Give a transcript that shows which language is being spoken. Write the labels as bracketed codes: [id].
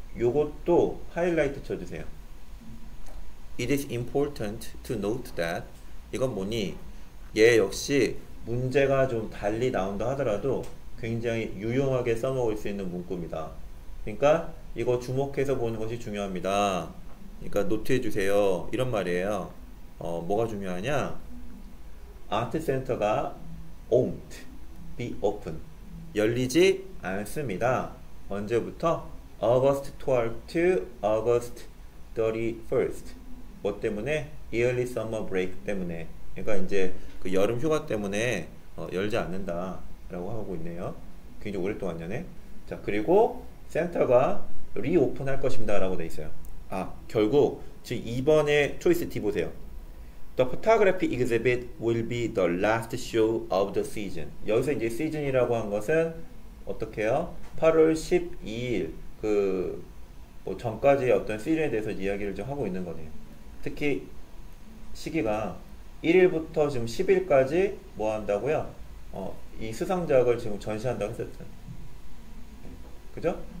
[ko] 요것도 하이라이트 쳐주세요. [en] It is important to note that [ko] 이건 뭐니? 얘 역시 문제가 좀 달리 나온다 하더라도 굉장히 유용하게 써먹을 수 있는 문구입니다. 그러니까 이거 주목해서 보는 것이 중요합니다. 그러니까 노트해 주세요. 이런 말이에요. 뭐가 중요하냐? 아트 센터가 [en] won't be open. [ko] 열리지 않습니다. 언제부터? [en] August 12 to August 31st. [ko] 뭐 때문에? [en] Early summer break [ko] 때문에. 그러니까 이제 그 여름 휴가 때문에 열지 않는다라고 하고 있네요. 굉장히 오랫동안 연애. 자, 그리고 센터가 리오픈 할 것입니다 라고 돼 있어요. 아, 결국 지금 2번의 초이스 D 보세요. [en] The photography exhibit will be the last show of the season. [ko] 여기서 이제 시즌이라고 한 것은 어떻게 해요? 8월 12일 그 뭐 전까지 어떤 시즌에 대해서 이야기를 좀 하고 있는 거네요. 특히 시기가 1일부터 지금 10일까지 뭐 한다고요? 이 수상작을 지금 전시한다고 했었죠. 그죠?